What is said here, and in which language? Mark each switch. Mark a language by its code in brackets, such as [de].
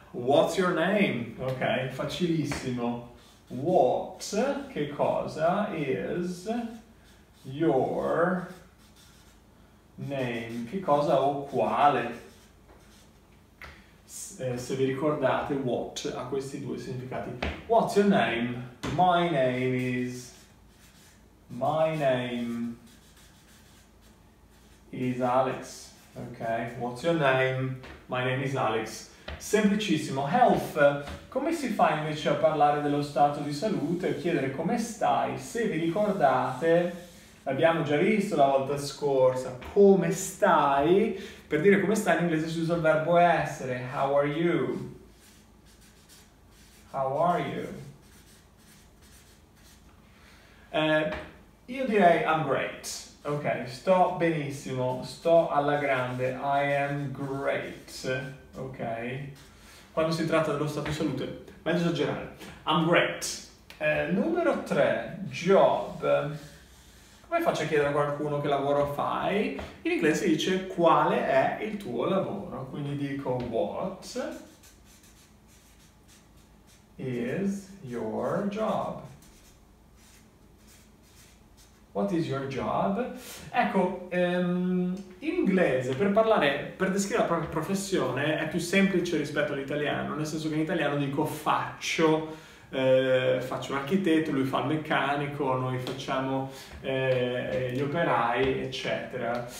[en] What's your name? [it] Ok, facilissimo. What, che cosa, [en] is your name, [it] che cosa o quale? Se vi ricordate, what ha questi due significati. [en] What's your name? My name is, my name is Alex. Ok, what's your name? My name is Alex. [it] Semplicissimo. Health, come si fa invece a parlare dello stato di salute e chiedere come stai? Se vi ricordate, l'abbiamo già visto la volta scorsa. Come stai? Per dire come stai in inglese si usa il verbo essere. [en] How are you? How are you? [it] Io direi [en] I'm great. [it] Ok, sto benissimo. Sto alla grande. [en] I am great. [it] Ok. Quando si tratta dello stato di salute, meglio esagerare. [en] I'm great. [it] Numero 3. Job. Come faccio a chiedere a qualcuno che lavoro fai? In inglese si dice quale è il tuo lavoro. Quindi dico [en] what is your job? What is your job? [it] Ecco, in inglese per descrivere la propria professione è più semplice rispetto all'italiano, nel senso che in italiano dico faccio. Faccio un architetto, lui fa il meccanico, noi facciamo gli operai, eccetera.